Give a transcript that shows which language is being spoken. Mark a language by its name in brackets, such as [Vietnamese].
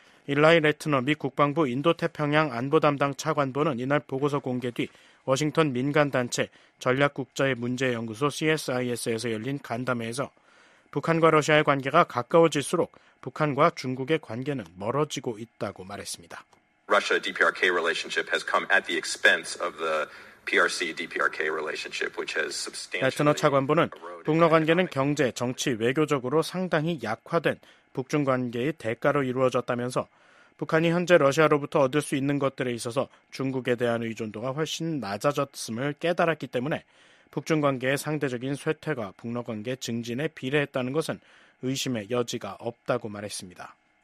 [Korean] 일라이 레트너 미 국방부 인도태평양 안보담당 차관보는 이날 보고서 공개 뒤 워싱턴 민간단체 전략국제문제연구소 CSIS에서 열린 간담회에서 북한과 러시아의 관계가 가까워질수록 북한과 중국의 관계는 멀어지고 있다고 말했습니다. [English] Russia DPRK relationship has come at the expense of the PRC DPRK relationship which has substantially [Korean] 레트너 차관보는 북러 관계는 경제, 정치, 외교적으로 상당히 약화된 북중 관계의 대가로 이루어졌다면서 북한이 현재 러시아로부터 얻을 수 있는 것들에 있어서 중국에 대한 의존도가 훨씬 낮아졌음을 깨달았기 때문에 북중 관계의 상대적인 쇠퇴가 북러 관계 증진에 비례했다는 것은 의심의 여지가 없다고 말했습니다.